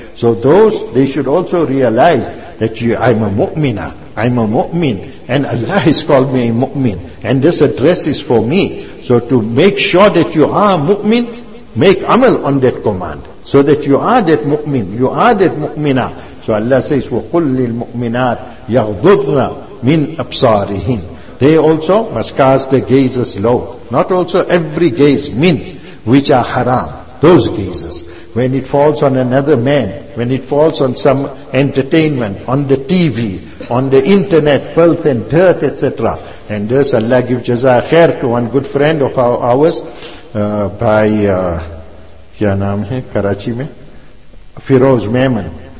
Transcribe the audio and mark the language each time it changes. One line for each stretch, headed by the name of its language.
English: So those, they should also realize that I'm a mu'mina, I'm a mu'min, and Allah has called me a mu'min, and this address is for me. So to make sure that you are a mu'min, make amal on that command, so that you are that mu'min, you are that mu'mina. So Allah says,
Arabic: وَقُلْ لِلْمُؤْمِنَاتِ يَغْضُضْنَ مِنْ أَبْصَارِهِنْ.
English: They also must cast the gazes low. Not also every gaze, min, which are haram. Those gazes. When it falls on another man, when it falls on some entertainment, on the TV, on the internet, filth and dirt, etc. And this Allah give jaza khair to one good friend of ours,
Urdu: kya naam hai, Karachi mein?
English: Firoz Maimon.